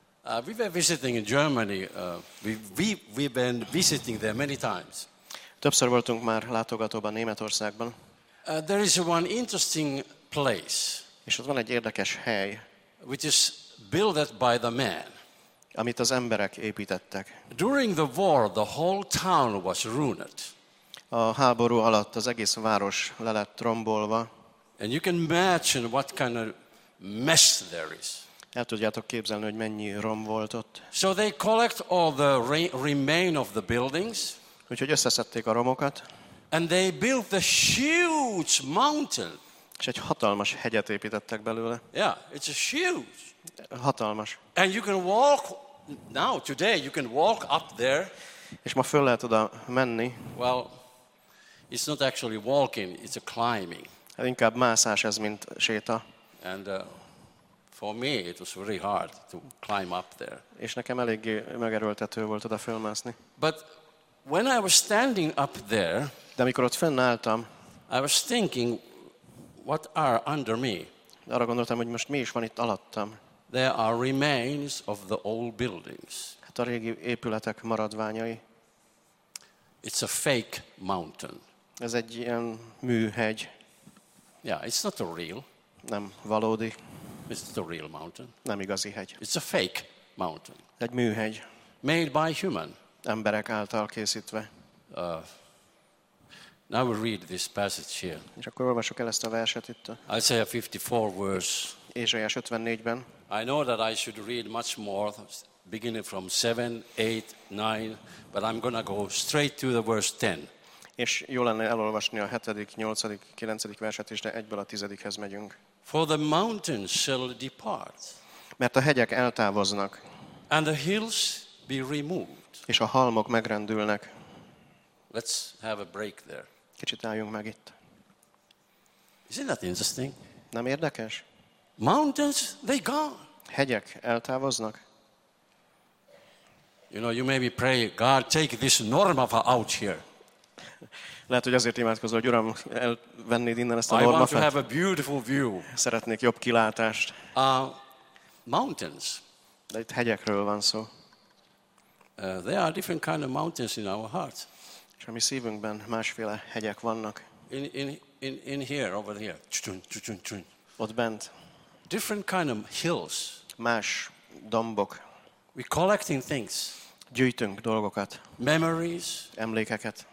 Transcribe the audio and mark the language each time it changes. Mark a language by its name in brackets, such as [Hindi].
[English] We were visiting in Germany. We've been visiting there many times. [Hungarian] Többször voltunk már látogatóban Németországban. [English] There is one interesting place. [Hungarian] És ott van egy érdekes hely. [English] Which is built by the man. [Hungarian] Amit az emberek építettek. [English] During the war, the whole town was ruined. [Hungarian] A háború alatt az egész város le lett rombolva. [English] And you can imagine what kind of mess there is. [Hungarian] El tudjátok képzelni, hogy mennyi rom volt ott. [English] So they collect all the remain of the buildings. [Hungarian] Úgyhogy összeszedték a romokat. [English] And they built a huge mountain. [Hungarian] És egy hatalmas hegyet építettek belőle. [English] Yeah, it's a huge. [Hungarian] Hatalmas. [English] And you can walk now today. You can walk up there. [Hungarian] És ma föl lehet oda menni. [English] Well, it's not actually walking. It's a climbing. [Hungarian] Hát inkább mászás ez, mint séta. [English] And for me, it was very hard to climb up there. [Hungarian] És nekem eléggé megerőltető volt oda fölmászni. [English] But when I was standing up there, [Hungarian] de amikor ott fennálltam, [English] I was thinking, what are under me? [Hungarian] Arra gondoltam, hogy most mi is van itt alattam. [English] There are remains of the old buildings. [Hungarian] Hát a régi épületek maradványai. [English] It's a fake mountain. [Hungarian] Ez egy ilyen műhegy. [English] Yeah, it's not a real. [Hungarian] Nem valódi. [English] It's not a real mountain. [Hungarian] Nem igazi hegy. [English] It's a fake mountain. [Hungarian] Egy műhegy. [English] Made by human. [Hungarian] Emberek által készítve. [English] Now we read this passage here. [Hungarian] És akkor olvasok el ezt a verset itt. [English] Isaiah 54 verse. [Hungarian] Ézsaiás 54-ben. [English] I know that I should read much more, beginning from 7, 8, 9, but I'm going to go straight to the verse 10. [Hungarian] És jó lenne elolvasni a 7., 8., 9. verset is, de egyből a 10-hez megyünk. [English] For the mountains shall depart. [Hungarian] Mert a hegyek eltávoznak. [English] And the hills be removed. [Hungarian] És a halmok megrendülnek. [English] Let's have a break there. [Hungarian] Kicsit álljunk meg itt. [English] Isn't that interesting? [Hungarian] Nem érdekes? [English] Mountains, they gone. [Hungarian] Hegyek eltávoznak. [English] You know, you maybe pray, God, take this norma out here. [Hungarian] Lehet, hogy azért imádkozol, hogy Uram, elvennéd innen ezt a normafet. Szeretnék jobb kilátást. [English] Mountains. [Hungarian] De itt hegyekről van szó. [English] There are different kind of mountains in our hearts. [Hungarian] És a mi szívünkben másféle hegyek vannak. [English] In here, over here. Csun, csun, csun. [Hungarian] Ott bent. [English] Different kind of hills. [Hungarian] Más dombok. [English] We collecting things. [Hungarian] Gyűjtünk dolgokat. [English] Memories. [Hungarian] Emlékeket.